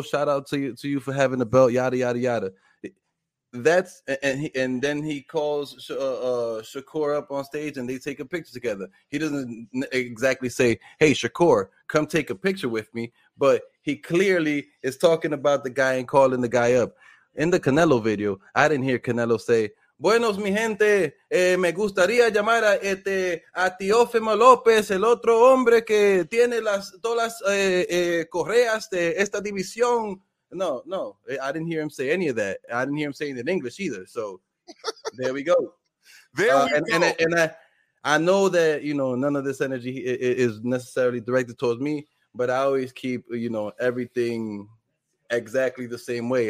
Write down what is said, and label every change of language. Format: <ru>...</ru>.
<en>Shout out to you for having the belt, yada yada yada. That's and then he calls Shakur up on stage and they take a picture together. He doesn't exactly say, "Hey Shakur, come take a picture with me," but he clearly is talking about the guy and calling the guy up. In the Canelo video, I didn't hear Canelo say,</en> <es>"Buenos mi gente, me gustaría llamar a este a Teófimo López, el otro hombre que tiene las todas las correas de esta división."</es> <en>No, no, I didn't hear him say any of that. I didn't hear him saying it in English either. So there we go. And I know that, you know, none of this energy is necessarily directed towards me, but I always keep, you know, everything exactly the same way.</en>